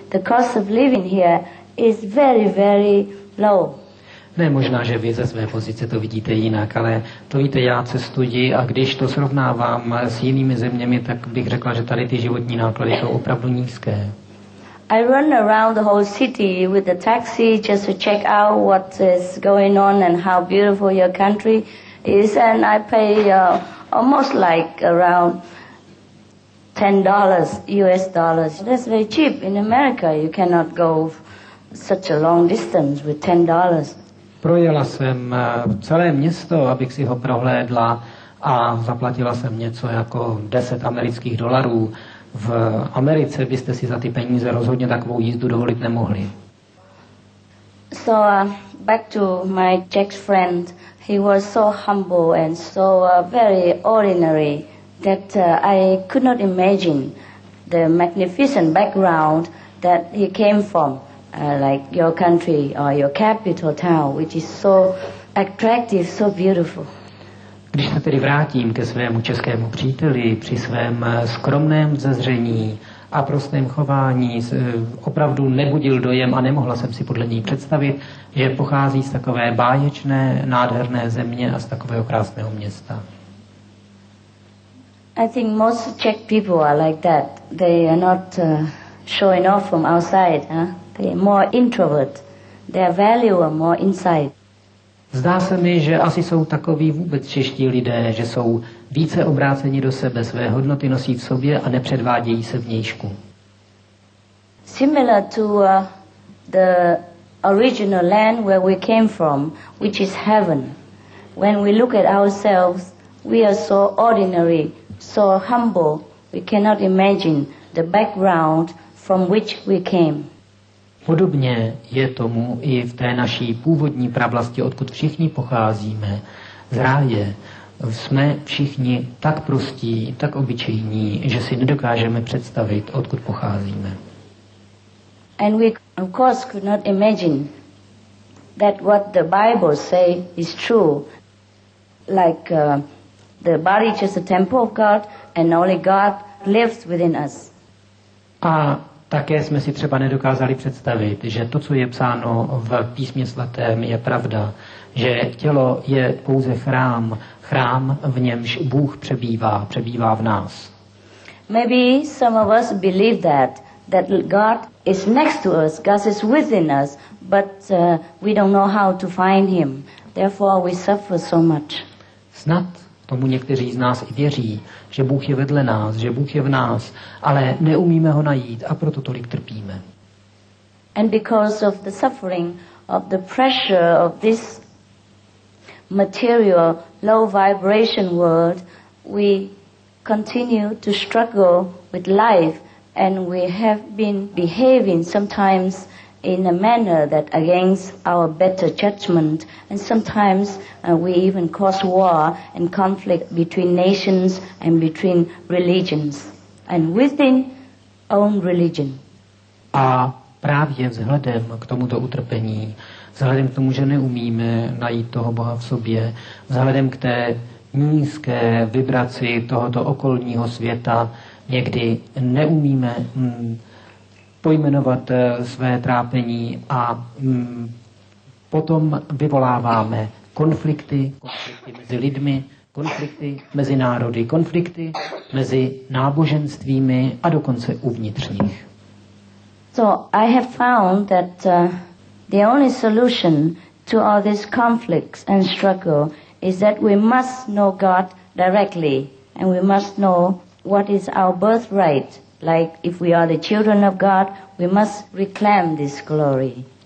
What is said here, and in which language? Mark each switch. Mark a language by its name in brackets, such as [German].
[English] The cost of living here is very, very low. [Czech] Ne, možná, že vy ze své pozice to vidíte jinak, ale to víte, já cestuji a když to srovnávám s jinými zeměmi, tak bych řekla, že tady ty životní náklady jsou opravdu nízké. [English] I run around the whole city with the taxi just to check out what is going on and how beautiful your country is, and I pay almost like around $10 US dollars. That's very cheap. In America you cannot go such a long distance with $10. [Czech] Projela jsem celé město, abych si ho prohlédla a zaplatila jsem něco jako 10 amerických dolarů. V Americe byste si za ty peníze rozhodně takovou jízdu dovolit nemohli. [English] So back to my Czech friend. He was so humble and so very ordinary that I could not imagine the magnificent background that he came from. Like your country or your capital town, which is so attractive, so beautiful. [Czech] Když se tedy vrátím ke svému českému příteli, při svém skromném vzezření a prostém chování, opravdu nebudil dojem a nemohla jsem si podle něj představit, že pochází z takové báječné, nádherné země a z takového krásného města. [English] I think most Czech people are like that. They are not showing off from outside, huh? More introvert, their value are more inside. [Czech] Zdá se mi, že asi jsou takoví vůbec čeští lidé, že jsou více obráceni do sebe, své hodnoty nosí v sobě a nepředvádějí se vnějšku. [English] Similar to the original land where we came from, which is heaven. When we look at ourselves, we are so ordinary, so humble, we cannot imagine the background from which we came. [Czech] Podobně je tomu i v té naší původní pravlasti, odkud všichni pocházíme, z ráje. Jsme všichni tak prostí, tak obyčejní, že si nedokážeme představit, odkud pocházíme. [English] And we of course could not imagine that what the Bible say is true, like the body is just a temple of God and only God lives within us. [Czech] A také jsme si třeba nedokázali představit, že to, co je psáno v písmě svatém, je pravda, že tělo je pouze chrám, chrám, v němž Bůh přebývá, přebývá v nás. [English] Maybe some of us believe that God is next to us, God is within us, but we don't know how to find him. Therefore we suffer so much. [Czech] Snad tomu někteří z nás i věří, že Bůh je vedle nás, že Bůh je v nás, ale neumíme ho najít a proto tolik trpíme. [English] And because of the suffering, of the pressure of this material, low vibration world, we continue to struggle with life and we have been behaving sometimes in a manner that against our better judgment, and sometimes we even cause war and conflict between nations and between religions and within own religion. [Czech] A právě vzhledem k tomuto utrpení vzhledem k tomu, že neumíme najít toho Boha v sobě, vzhledem k té nízké vibraci tohoto okolního světa, někdy neumíme pojmenovat své trápení a potom vyvoláváme konflikty, konflikty mezi lidmi, konflikty mezi národy, konflikty mezi náboženstvími a dokonce uvnitřních. [English] So I have found that the only solution to all these conflicts and struggle is that we must know God directly and we must know what is our birthright. Like if we are the children of God, we must reclaim this glory.